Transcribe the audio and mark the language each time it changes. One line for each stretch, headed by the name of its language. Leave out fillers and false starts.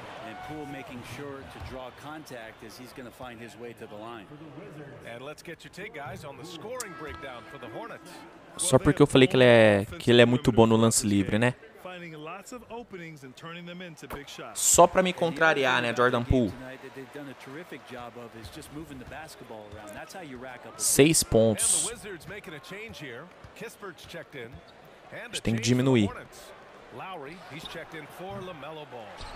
English: And Poole making sure to draw contact as he's going to find his way to the line. And let's get your take, guys, on the scoring breakdown for the Hornets.
Portuguese: Só porque eu falei que ele é muito bom no lance livre, né?
English: Finding lots of openings and turning them into big shots.
Portuguese: Só para me contrariar, né, Jordan Poole.
English: They've done a terrific job of is just moving the basketball around. That's how you rack up.
Portuguese: 6 pontos.
English: And the Wizards making a change here. Kispert's checked in.
Portuguese: A gente tem que diminuir.
English: Lowry, he's checked in for LaMelo Ball.